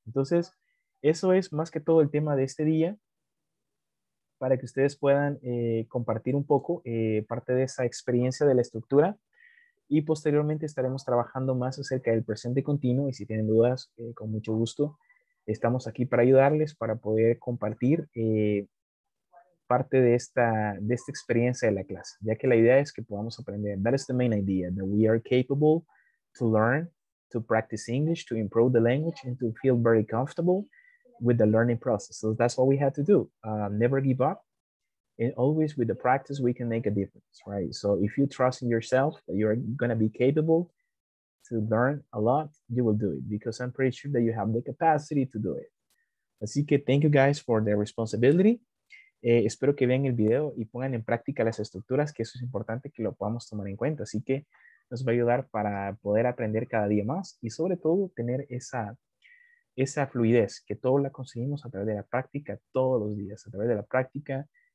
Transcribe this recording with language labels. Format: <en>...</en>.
<es>Entonces, eso es más que todo el tema de este día, para que ustedes puedan compartir un poco parte de esa experiencia de la estructura, y posteriormente estaremos trabajando más acerca del presente continuo, y si tienen dudas, con mucho gusto, estamos aquí para ayudarles, para poder compartir parte de esta experiencia de la clase, ya que la idea es que podamos aprender.</es> <en>That is the main idea, that we are capable to learn, to practice English, to improve the language, and to feel very comfortable with the learning process. So that's what we had to do. Never give up. And always with the practice, we can make a difference, right? So if you trust in yourself, that you're going to be capable to learn a lot, you will do it, because I'm pretty sure that you have the capacity to do it.</en> <es>Así que</es> <en>thank you guys for the responsibility.</en> <es>Espero que vean el video y pongan en práctica las estructuras, que eso es importante que lo podamos tomar en cuenta. Así que nos va a ayudar para poder aprender cada día más y sobre todo tener esa fluidez, que todo la conseguimos a través de la práctica todos los días, a través de la práctica.</es>